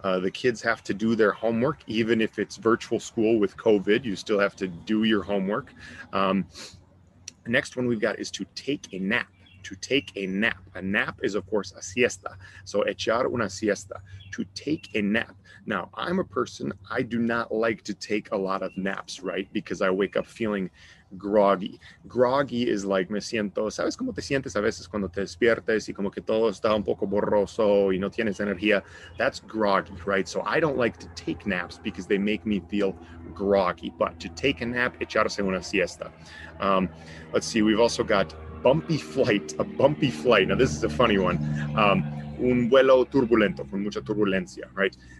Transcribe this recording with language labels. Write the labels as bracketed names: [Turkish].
[English] The kids have to do their homework, even if it's virtual school with COVID, you still have to do your homework. Next one we've got is to take a nap. A nap is, of course, a siesta. So echar una siesta, to take a nap. Now, I'm a person, I do not like to take a lot of naps, right? Because I wake up feeling groggy. [Spanish] Groggy is like, me siento, ¿sabes cómo te sientes a veces cuando te despiertas y como que todo está un poco borroso y no tienes energía? [English] That's groggy, right? So I don't like to take naps because they make me feel groggy. But to take a nap, echarse una siesta. Let's see, we've also got a bumpy flight. Now, this is a funny one. Un vuelo turbulento, con mucha turbulencia, right?